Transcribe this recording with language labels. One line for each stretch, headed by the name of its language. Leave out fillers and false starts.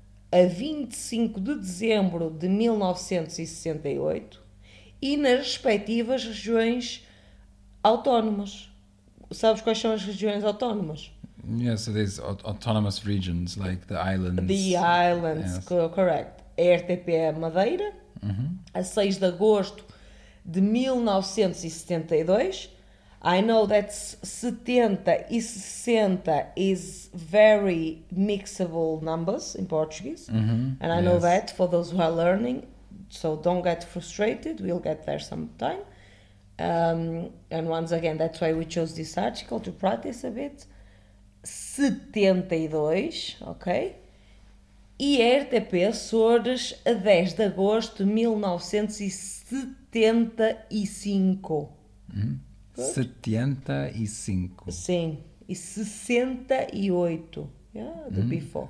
Portuguese: A 25 de dezembro de 1968 e nas respectivas regiões autónomas. Sabes quais são as regiões autónomas?
English: Yes, so there's autonomous regions, like the islands. The islands, yes. Correct.
Portuguese: A RTP Madeira, uh-huh, a 6 de agosto de 1972.
English: I know that 70 e 60 is very mixable numbers in Portuguese. Uh-huh. And I, yes, know that for those who are learning. So don't get frustrated, we'll get there sometime. And once again, that's why we chose this article, to practice a bit.
Portuguese: 72, ok? E a RTP Açores a 10 de agosto de 1975. 75. Sim. E 68.
English: Yeah, the before.